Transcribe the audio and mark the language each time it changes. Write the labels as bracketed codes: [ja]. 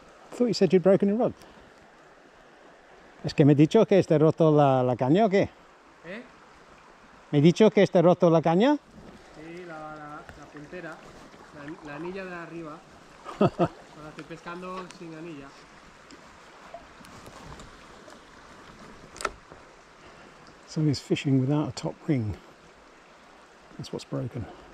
[en] I thought you said you'd broken your rod. [es] Es que me dicho que este roto la caña o qué? Me dicho que este roto la caña? Sí, la puntera, la anilla de arriba. Ahora estoy pescando sin anilla. [en] So he's fishing without a top ring. That's what's broken.